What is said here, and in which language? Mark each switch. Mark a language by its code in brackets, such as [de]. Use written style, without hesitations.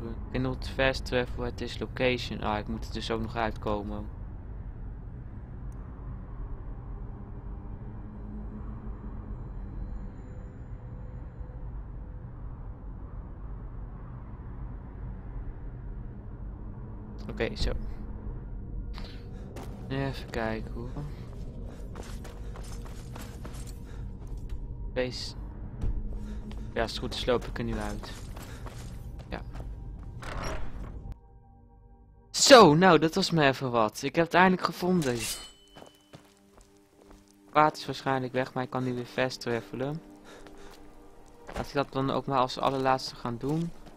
[en] Kindled fast travel at this location. [nl] Ah, ik moet er dus ook nog uitkomen. Oké, zo. Even kijken hoor. Face. Ja, als het goed is loop ik er nu uit. Zo, nou, dat was me even wat. Ik heb het eindelijk gevonden. Paard is waarschijnlijk weg, maar ik kan nu weer fast travelen. Laat ik dat dan ook maar als allerlaatste gaan doen.